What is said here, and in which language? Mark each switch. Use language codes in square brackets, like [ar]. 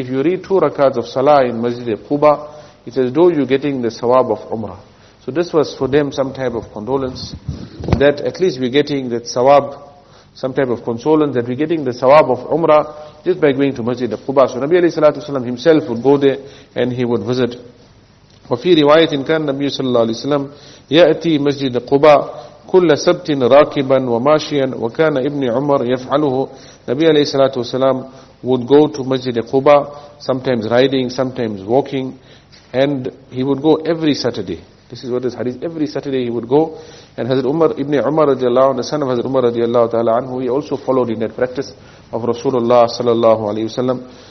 [en] If you read two rakats of salah in Masjid al-Quba, it's as though you're getting the sawab of umrah. So this was for them some type of condolence, that at least we're getting that sawab, some type of consolence, that we're getting the sawab of umrah just by going to Masjid al-Quba. So Nabi alayhi salatu wasalam himself would go there and he would visit. [ar] وفي رواية كان النبي صلى الله عليه وسلم يأتي مسجد قباء كل سبت راكبا وماشيا وكان ابن عمر يفعله. [en] النبي عليه الصلاة والسلام would go to مسجد قباء, sometimes riding, sometimes walking, and he would go every Saturday. This is what this hadith, every Saturday he would go. And Hazrat Umar ibn Umar رضي الله عنه, the son of Hazrat Umar رضي الله تعالى عنه, he also followed in that practice of Rasulullah صلى الله عليه وسلم.